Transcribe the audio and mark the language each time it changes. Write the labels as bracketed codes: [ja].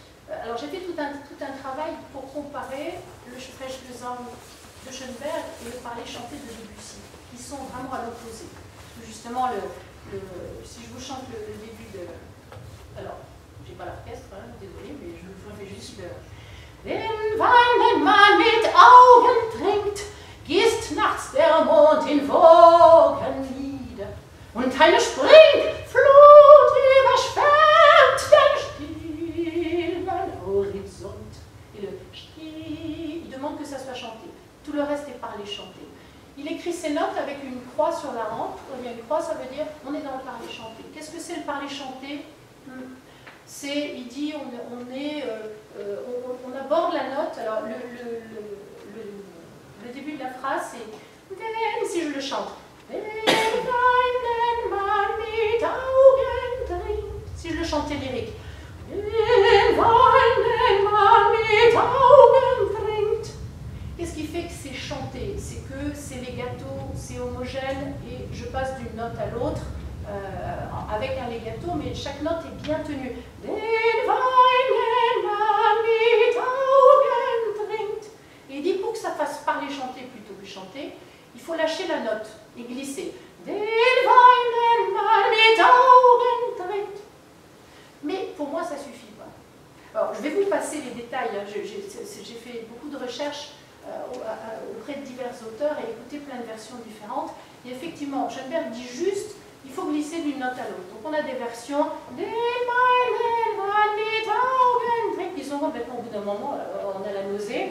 [fr] Alors j'ai fait tout un travail pour comparer le Sprech des Hommes de Schoenberg et le Parler chanté de Debussy, qui sont vraiment à l'opposé. Justement, si je vous chante le début de... Alors, je n'ai pas l'orchestre, hein, désolé, mais je vous fais juste le... [de] Wenn weinen man mit Augen trinkt, gießt nachts der Mond in Wogen nieder und eine Springflut überschwemmt den stillen Horizont. [fr] Et le il demande que ça soit chanté. Tout le reste est parlé chanté. Il écrit ses notes avec une croix sur la hampe. Quand il y a une croix, ça veut dire on est dans le parler chanté. Qu'est-ce que c'est le parler chanté? C'est, il dit, on aborde la note. Alors le début de la phrase, c'est wenn, si je le chante, [de] wenn man mit Augen trinkt, [fr] si je le chantais lyrique, [de] wenn man mit Augen trinkt. [fr] Qu'est-ce qui fait que c'est chanté? C'est que c'est legato, c'est homogène et je passe d'une note à l'autre. Avec un legato, mais chaque note est bien tenue. [de] Den weinen man mit Augen trinkt. [fr] Et il dit pour que ça fasse parler chanter plutôt que chanter, il faut lâcher la note et glisser. [de] Den weinen man mit Augen trinkt. [fr] Mais pour moi, ça ne suffit pas. Alors, je vais vous passer les détails. J'ai fait beaucoup de recherches auprès de divers auteurs et écouté plein de versions différentes. Et effectivement, Schoenberg dit juste. Il faut glisser d'une note à l'autre. Donc on a des versions qui sont complètement, au bout d'un moment, on a la nausée.